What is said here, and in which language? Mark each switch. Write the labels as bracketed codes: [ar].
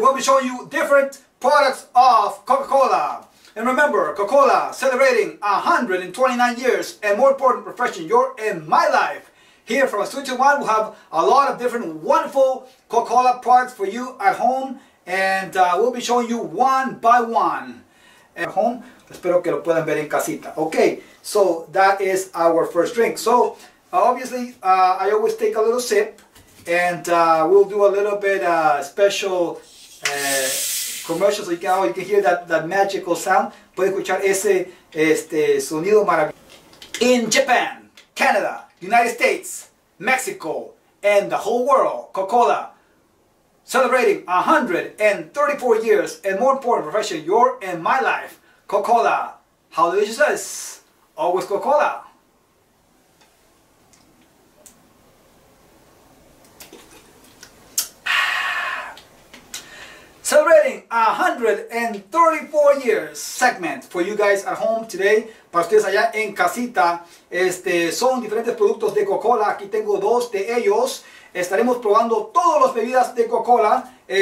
[en] We'll be showing you different products of Coca-Cola. And remember, Coca-Cola celebrating 129 years and more important refreshing your and my life. Here from Studio 21, we have a lot of different wonderful Coca-Cola products for you at home. And we'll be showing you one by one. At home, [es] espero que lo puedan ver en casita. [en] Okay, so that is our first drink. So obviously, I always take a little sip. And we'll do a little bit special commercial so you can hear that magical sound. [es] Puede escuchar ese sonido maravilloso. [en] In Japan, Canada, United States, Mexico, and the whole world, Coca-Cola celebrating 134 years and more important, refreshing your and my life. Coca-Cola, how delicious is always Coca-Cola. Celebrating 134 years segment for you guys at home today. [es] Para ustedes allá en casita, son diferentes productos de Coca-Cola. Aquí tengo dos de ellos. Estaremos probando todas las bebidas de Coca-Cola.